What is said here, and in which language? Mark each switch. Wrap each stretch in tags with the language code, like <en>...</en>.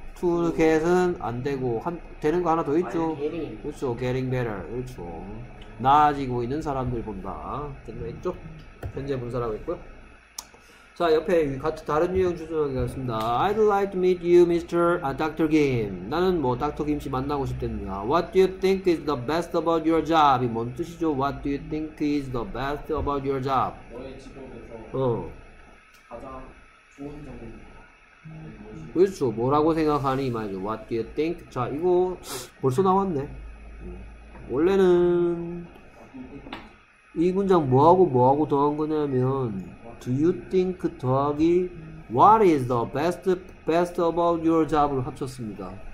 <ko>2는 get은 안 되고, 한, 되는 거 하나 더 있죠? 그쵸, getting better. 그쵸. 나아지고 있는 사람들 본다. 된 거 있죠? 현재 분사라고 했고요. 자, 옆에 같은 다른 유형 주소가 있습니다.</ko> <en>I'd like to meet you, Mr. Dr. Kim. 나는 뭐, Dr.</en> <ko>Kim 씨 만나고 싶답니다.</ko> <en>What do you think is the best about your job?</en> <ko>이 뭔 뜻이죠?</ko> <en>What do you think is the best about your job?</en> <ko>너의 직업에서 가장 좋은 점은? 그렇죠. 뭐라고 생각하니? 말이죠. What do you think? 자, 이거 벌써 나왔네. 원래는 이 문장 뭐하고 뭐하고 더한 거냐면, Do you think 더하기 What is the best about your job 을 합쳤습니다.</ko>